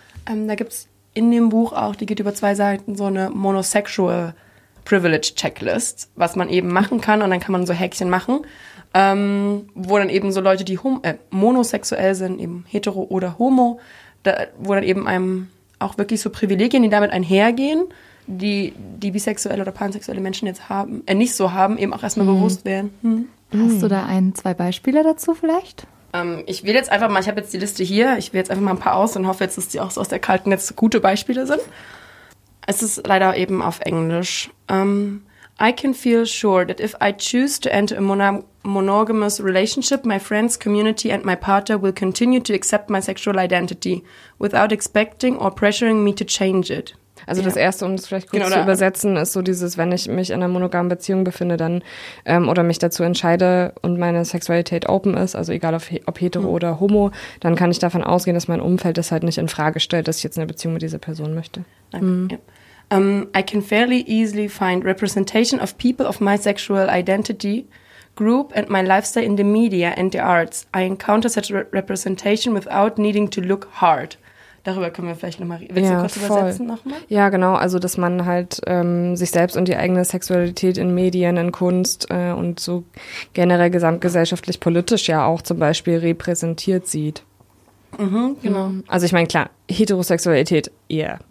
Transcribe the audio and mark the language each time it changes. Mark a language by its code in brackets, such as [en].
[de] Da gibt es in dem Buch auch, die geht über zwei Seiten, so eine Monosexual Privilege Checklist, was man eben machen kann, und dann kann man so Häkchen machen, wo dann eben so Leute, die monosexuell sind, eben hetero oder homo, da, wo dann eben einem auch wirklich so Privilegien, die damit einhergehen, die bisexuelle oder pansexuelle Menschen jetzt haben, nicht so haben, eben auch erstmal bewusst werden. Hast du da zwei Beispiele dazu vielleicht? Ich will jetzt einfach mal, ich habe jetzt die Liste hier, ich will jetzt einfach mal ein paar aus und hoffe jetzt, dass die auch so aus der kalten jetzt gute Beispiele sind. Es ist leider eben auf Englisch. [en] I can feel sure that if I choose to enter a monogamous relationship, my friends, community and my partner will continue to accept my sexual identity without expecting or pressuring me to change it. [de] Also das Erste, um es vielleicht kurz zu übersetzen, ist so dieses, wenn ich mich in einer monogamen Beziehung befinde, dann oder mich dazu entscheide und meine Sexualität open ist, also egal ob hetero oder homo, dann kann ich davon ausgehen, dass mein Umfeld das halt nicht in Frage stellt, dass ich jetzt eine Beziehung mit dieser Person möchte. [en] I can fairly easily find representation of people of my sexual identity group and my lifestyle in the media and the arts. I encounter such representation without needing to look hard. [de] Darüber können wir vielleicht nochmal reden. Willst du kurz voll übersetzen nochmal? Ja, genau. Also, dass man halt sich selbst und die eigene Sexualität in Medien, in Kunst und so generell gesamtgesellschaftlich, politisch ja auch zum Beispiel repräsentiert sieht. Mhm, genau. Also, ich meine, klar, Heterosexualität, yeah.